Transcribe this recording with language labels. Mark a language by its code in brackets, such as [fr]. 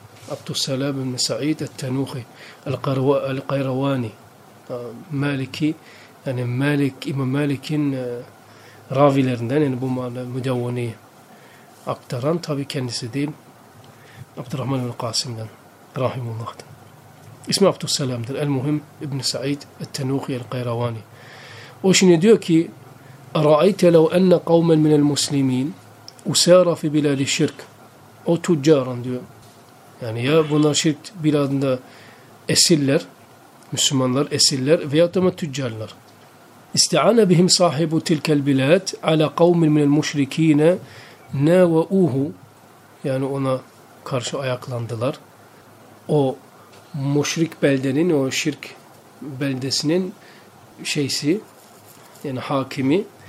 [tr] Abdüsselam İbn-i Sa'id El-Tenuhi. El-Qayrawani. Maliki yani Malik, İmam Malik'in ravilerinden, yani bu Mücevveni aktaran tabii kendisi değil, Abdurrahman bin Kasım'dan, Rahimullah'tan. İsmi Abdüsselam'dır. El-Muhim İbn-i Sa'id El-Tenuhi El-Qayravani. O şimdi diyor ki, [ar] اَرَعَيْتَ لَوْ اَنَّ قَوْمًا مِنَ الْمُسْلِم۪ينَ اُسَارَ فِي بِلَادِ الشِّرْكِ. [tr] O tüccaran diyor. Yani ya bunlar şirk biladında esirler, Müslümanlar esirler veyahut da tüccarlar. [ar] اِسْتَعَانَ بِهِمْ صَاحِبُ تِلْكَ الْبِلَادِ عَلَى قَوْمٍ مِنَ الْمُشْرِك۪ينَ نَاوَعُوهُ. [tr] Yani ona karşı ayaklandılar. O müşrik beldenin, o şirk beldesinin şeysi, yani hakimi.